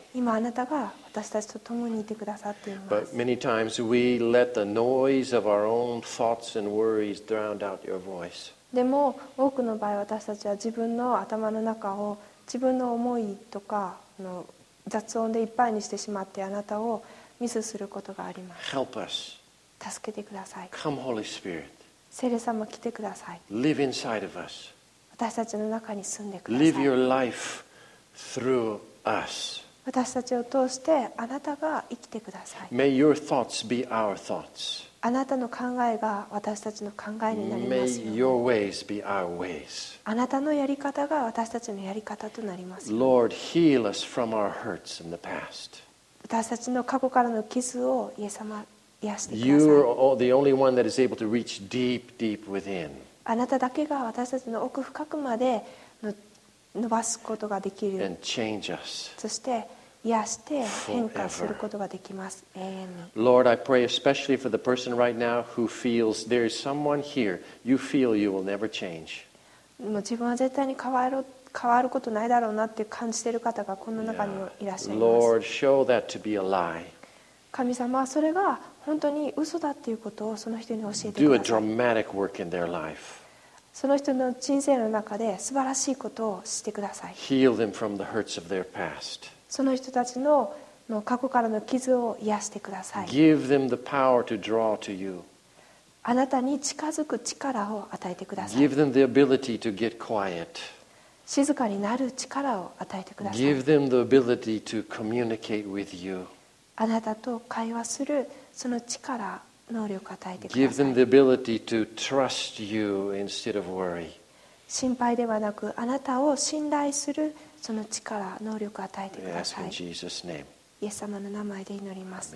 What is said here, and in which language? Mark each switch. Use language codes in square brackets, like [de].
[ja] 今あなたが私たちと共にいてくださっています。 [en] But many times we let the noise of our own thoughts and worries drown out your voice. [ja] でも多くの場合私たちは自分の頭の中を自分の思いとかの雑音でいっぱいにしてしまってあなたをミスすることがあります。 [en] Help us. [ja] 助けてください。 [en] Come Holy Spirit. [ja] 聖霊様来てください。 [en] Live inside of us. [ja] 私たちの中に住んでください。 [en] Live your life through us. [ja] 私たちを通してあなたが生きてください。 [en] May your thoughts be our thoughts. [ja] あなたの考えが私たちの考えになりますように。 [en] May your ways be our ways. [ja] あなたのやり方が私たちのやり方となりますように。 [en] Lord, heal us from our hurts in the past. [ja] 私たちの過去からの傷をイエス様 [en] You are the only one that is able to reach deep, deep within. [ja] あなただけが私たちの奥深くまで伸ばすことができる。 [en] And change us. [ja] そして癒して変化することができます。永遠に。 [en] Lord, I pray especially for the person right now who feels there is someone here you feel you will never change. [ja] もう自分は絶対に変わることないだろうなって感じている方がこの中にもいらっしゃいます。 [en] Lord, show that to be a lie. [ja] 神様、それが本当に嘘だっていうことをその人に教えてください。 [en] Do a dramatic work in their life. [ja] その人の人生の中で素晴らしいことをしてください。 [en] Heal them from the hurts of their past. [ja] その人たちの過去からの傷を癒してください。 [en] Give them the power to draw to you. [ja] あなたに近づく力を与えてください。 [en] Give them the ability to get quiet. [ja] 静かになる力を与えてください。 [en] Give them the ability to communicate with you. [ja] あなたと会話するその力、能力を与えてください。 [en] Give them the ability to trust you instead of worry. [ja] 心配ではなく、あなたを信頼するその力、能力を与えてください。 [en] We ask in Jesus' name. [ja] イエス様の名前で祈ります。